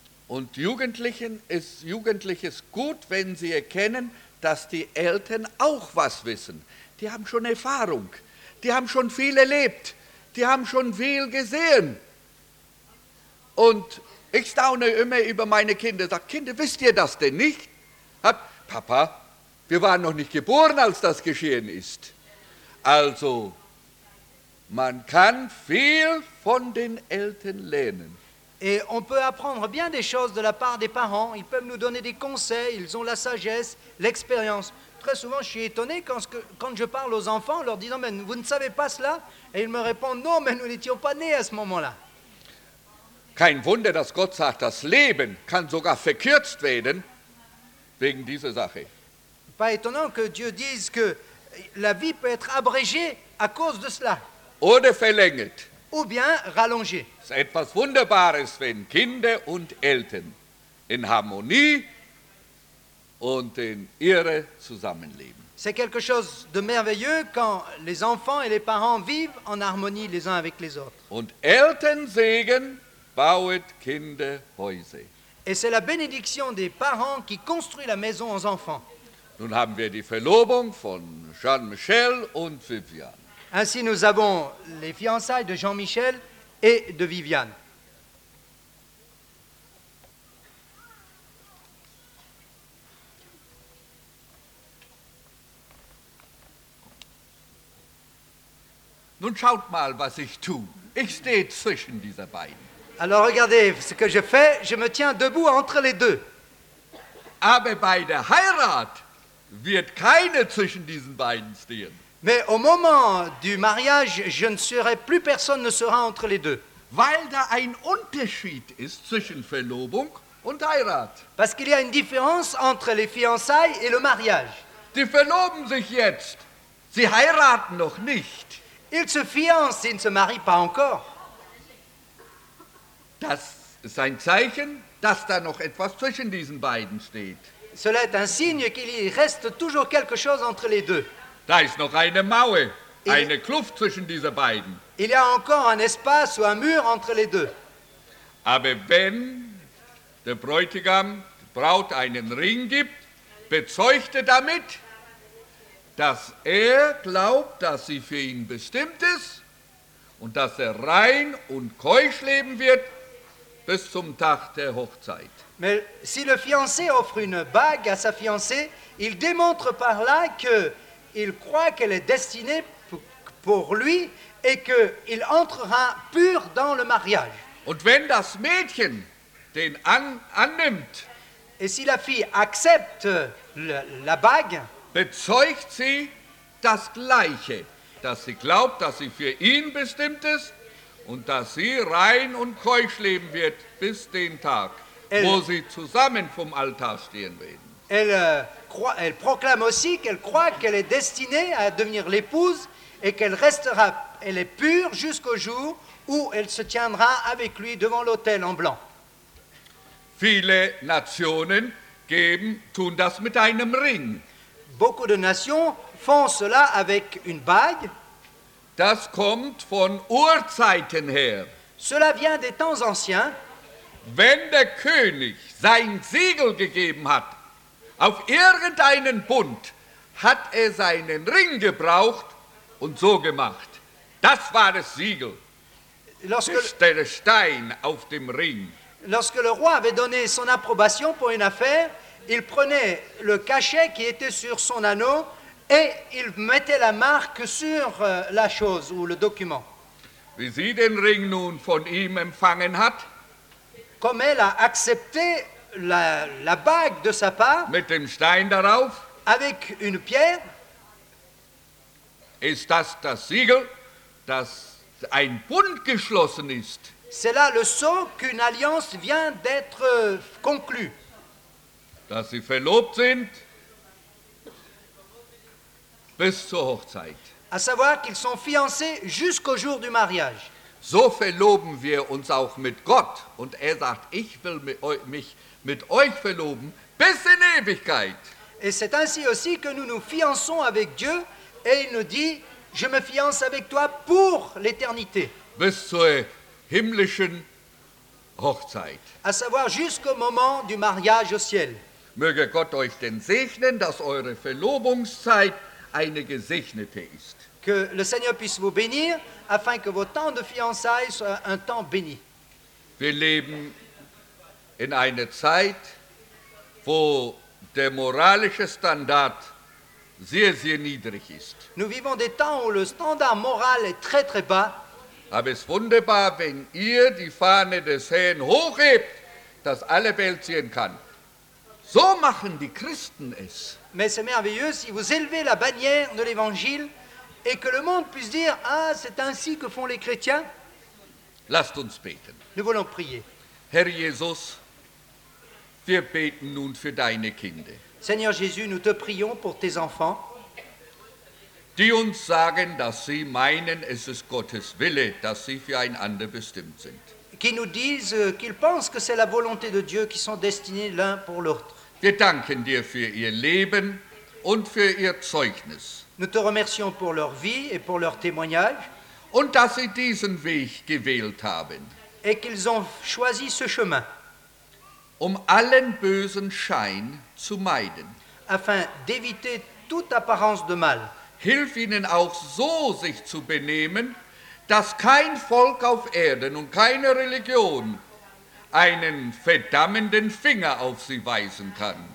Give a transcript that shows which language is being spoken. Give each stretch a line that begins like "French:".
German: Und Jugendlichen ist Jugendliches gut, wenn sie erkennen, dass die Eltern auch was wissen. Die haben schon Erfahrung, die haben schon viel erlebt, die haben schon viel gesehen. Und ich staune immer über meine Kinder, sag, Kinder, wisst ihr das denn nicht? Papa, wir waren noch nicht geboren, als das geschehen ist. Also, man kann viel von den Eltern lernen.
French: Et on peut apprendre bien des choses de la part des parents. Ils peuvent nous donner des conseils, ils ont la sagesse, l'expérience. Très souvent, je suis étonné quand je parle aux enfants, leur disant, mais vous ne savez pas cela? Et ils me répondent, non, mais nous n'étions pas nés à ce moment-là.
German: Kein Wunder, dass Gott sagt, das Leben kann sogar verkürzt werden wegen dieser Sache.
French: Pas étonnant que Dieu dise que la vie peut être abrégée à cause de cela.
German: Oder verlängert.
French: Ou bien rallongé. C'est
German: etwas Wunderbares, wenn Kinder und Eltern in Harmonie und in Ehre zusammenleben.
French: C'est quelque chose de merveilleux quand les enfants et les parents vivent en harmonie les uns avec les autres.
German: Und Elternsegen bauet Kinder Häuser.
French: Et c'est la bénédiction des parents qui construit la maison aux enfants.
German: Nun haben wir die Verlobung von Jean-Michel und Viviane.
French: Ainsi, nous avons les fiançailles de Jean-Michel et de Viviane.
German: Nun schaut mal, was ich tue. Ich stehe zwischen dieser beiden.
French: Alors regardez ce que je fais. Je me tiens debout entre les deux.
German: Aber bei der Heirat wird keine zwischen diesen beiden stehen.
French: Mais au moment du mariage, je ne serai plus personne ne sera entre les deux.
German: Weil da ein Unterschied ist zwischen Verlobung und Heirat.
French: Parce qu'il y a une différence entre les fiançailles et le mariage.
German: Die verloben sich jetzt. Sie heiraten noch nicht.
French: Ils se fiancent, ils ne se marient pas encore.
German: Das ist ein Zeichen, dass da noch etwas zwischen diesen beiden steht.
French: Cela est un signe qu'il reste toujours quelque chose entre les deux.
German: Da ist noch eine Mauer, eine Kluft zwischen diesen beiden.
French: Il y a encore un espace ou un mur entre les deux.
German: Aber wenn der Bräutigam, die Braut, einen Ring gibt, bezeugt er damit, dass er glaubt, dass sie für ihn bestimmt ist und dass er rein und keusch leben wird bis zum Tag der Hochzeit.
French: Mais si le fiancé offre une bague à sa fiancée, il démontre par là que il croit qu'elle est destinée pour lui et qu'il entrera pur dans le mariage.
German: Und wenn das Mädchen den annimmt,
French: et si la fille accepte la bague,
German: bezeugt sie das Gleiche, dass sie glaubt, dass sie für ihn bestimmt ist und dass sie rein und keusch leben wird bis den Tag, wo sie zusammen vom Altar stehen werden.
French: Elle proclame aussi qu'elle croit qu'elle est destinée à devenir l'épouse et qu'elle restera, elle est pure jusqu'au jour où elle se tiendra avec lui devant l'autel en blanc.
German: Viele Nationen geben, tun das mit einem Ring.
French: Beaucoup de nations font cela avec une bague.
German: Das kommt von Urzeiten her.
French: Cela vient des temps anciens.
German: Wenn der König sein Siegel gegeben hat auf irgendeinen Bund, hat er seinen Ring gebraucht und so gemacht. Das war das Siegel. Der Stein auf dem Ring.
French: Lorsque le roi avait donné son approbation pour une affaire, il prenait le cachet qui était sur son anneau et il mettait la marque sur la chose ou le document.
German: Wie sie den Ring nun von ihm empfangen hat,
French: comme elle a accepté la bague de sa part,
German: mit dem Stein darauf,
French: avec une pierre,
German: ist das Siegel, das ein Bund geschlossen ist.
French: C'est là le sceau qu'une alliance vient d'être conclue.
German: Dass sie verlobt sind bis zur Hochzeit.
French: À savoir qu'ils sont fiancés jusqu'au jour du mariage.
German: So verloben wir uns auch mit Gott. Und er sagt, ich will mich mit euch verloben bis in Ewigkeit.
French: Et c'est ainsi aussi que nous nous fiançons avec Dieu. Et il nous dit, je me fiance avec toi pour l'éternité.
German: Bis zur himmlischen Hochzeit.
French: À savoir jusqu'au moment du mariage au ciel.
German: Möge Gott euch denn segnen, dass eure Verlobungszeit eine gesegnete ist.
French: Que le Seigneur puisse vous bénir, afin que vos temps de fiançailles soient un temps béni.
German: Wir leben in einer Zeit, wo der moralische Standard sehr, sehr niedrig ist.
French: Nous vivons des temps où le standard moral est très, très bas.
German: Aber es ist wunderbar, wenn ihr die Fahne des Herrn hochhebt, dass alle Welt sehen kann. So machen die Christen es.
French: Mais c'est merveilleux si vous élevez la bannière de l'Évangile et que le monde puisse dire, ah, c'est ainsi que font les chrétiens.
German: Lasst uns beten.
French: Nous voulons prier.
German: Herr Jesus, wir beten nun für deine Kinder.
French: Seigneur Jésus, nous te prions pour tes enfants.
German: Die uns sagen, dass sie meinen, es ist Gottes Wille, dass sie für einander bestimmt sind.
French: Qui nous disent qu'ils pensent que c'est la volonté de Dieu qui sont destinés l'un pour l'autre.
German: Wir danken dir für ihr Leben und für ihr Zeugnis.
French: Nous te remercions pour leur vie et pour leur témoignage.
German: Und dass sie diesen Weg gewählt haben.
French: Et qu'ils ont choisi ce chemin.
German: Um allen bösen Schein zu meiden.
French: Afin d'éviter toute apparence de mal.
German: Hilf ihnen auch so, sich zu benehmen, dass kein Volk auf Erden und keine Religion einen verdammenden Finger auf sie weisen kann.